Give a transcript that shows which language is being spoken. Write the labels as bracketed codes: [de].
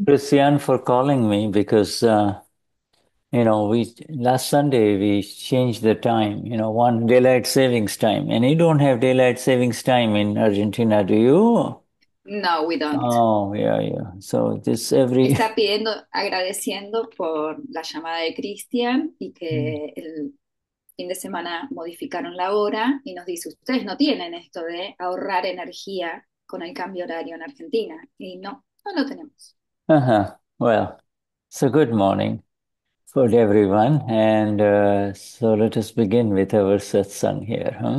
[en] Christian, for calling me because, we last Sunday we changed the time, one daylight savings time. And you don't have daylight savings time in Argentina, do you? No, we don't. Oh, yeah. So this every. [es] Está pidiendo, agradeciendo por la llamada de Cristian y que el fin de semana modificaron la hora y nos dice, ustedes no tienen esto de ahorrar energía con el cambio horario en Argentina. Y no, no lo tenemos. [en] Well, so good morning for everyone, and so let us begin with our satsang here,